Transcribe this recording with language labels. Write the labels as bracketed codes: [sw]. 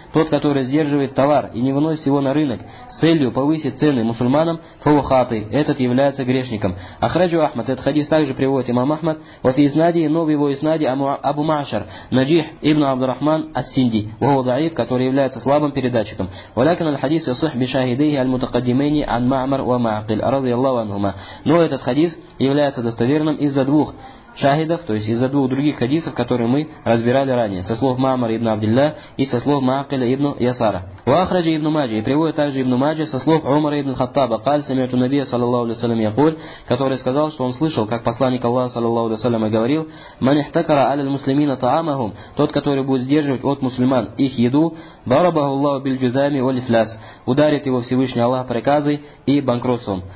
[ru] Тот, который сдерживает товар и не выносит его на рынок с целью повысить цены мусульманам, фау хаты, этот является грешником. [ar] Ахраджу Ахмад. [ru] Этот хадис также приводит имам Ахмад. [ar] «Ва фи изнадии, [ru] но в его изнадии Абу Маашар, Наджих ибн Абдурахман ас-Синди, [ar] ва хуа даиф», [ru] который является слабым передатчиком. [ar] لكن الحديث يصح بشاهديه المتقدمين عن معمر ومعقل رضي الله عنهما. [ru] Но этот хадис является достоверным из-за двух шахидов, то есть из-за двух других хадисов, которые мы разбирали ранее, со слов Маамара ибн Абдилла и со слов Маакиля ибн Ясара. [ar] Вахраджи ибн Маджи, [ru] и приводит также ибн Маджи со слов Умара ибн Хаттаба, [ar] каль самиту набия саллаллаху алейхи ва саллям якуль, [ru] который сказал, что он слышал, как посланник Аллаха саллаллаху алейхи ва саллям говорил: [ar] «Ман ихтакара аля аль-муслимина таамахум», [ru] тот, который будет сдерживать от мусульман их еду, [ar] «дарабаху Аллаху биль-джузами валь-ифляс», [ru] ударит его Всевышний Аллах приказы и банкротством.